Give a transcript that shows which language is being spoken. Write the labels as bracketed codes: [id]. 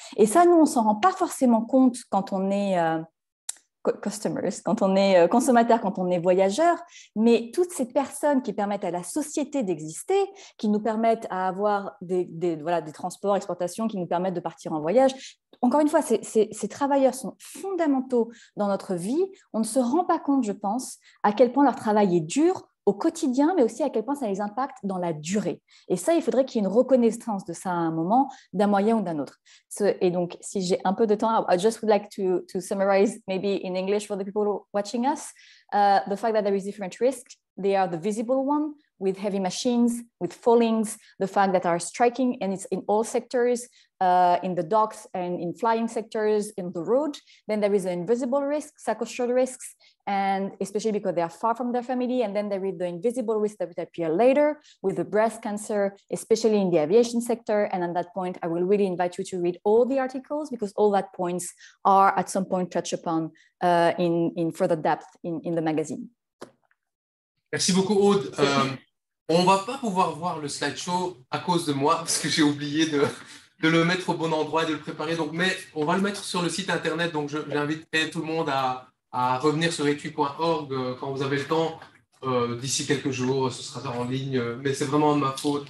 [fr] Et ça, nous, on ne s'en rend pas forcément compte quand on est... customers, quand on est consommateur, quand on est voyageur, mais toutes ces personnes qui permettent à la société d'exister, qui nous permettent à avoir des transports, exportations, qui nous permettent de partir en voyage. Encore une fois, ces travailleurs sont fondamentaux dans notre vie. On ne se rend pas compte, je pense, à quel point leur travail est dur au quotidien, mais aussi à quel point ça les impacte dans la durée. Et ça, il faudrait qu'il y ait une reconnaissance de ça à un moment, d'un moyen ou d'un autre. Et donc, si j'ai un peu de temps, [en] I just would like to summarize maybe in English for the people watching us, the fact that there is different risks, they are the visible one, with heavy machines, with fallings, the fact that are striking, and it's in all sectors, in the docks and in flying sectors, in the road. Then there is an invisible risk, psychosocial risks, and especially because they are far from their family. And then there is the invisible risk that would appear later with the breast cancer, especially in the aviation sector. And at that point, I will really invite you to read all the articles because all that points are at some point touched upon in further depth in the magazine. [fr] Merci beaucoup, Aude. On ne va pas pouvoir voir le slideshow à cause de moi, parce que j'ai oublié de le mettre au bon endroit et de le préparer. Mais on va le mettre sur le site internet. Donc, j'invite tout le monde à revenir sur etui.org quand vous avez le temps. D'ici quelques jours, ce sera en ligne. Mais c'est vraiment de ma faute.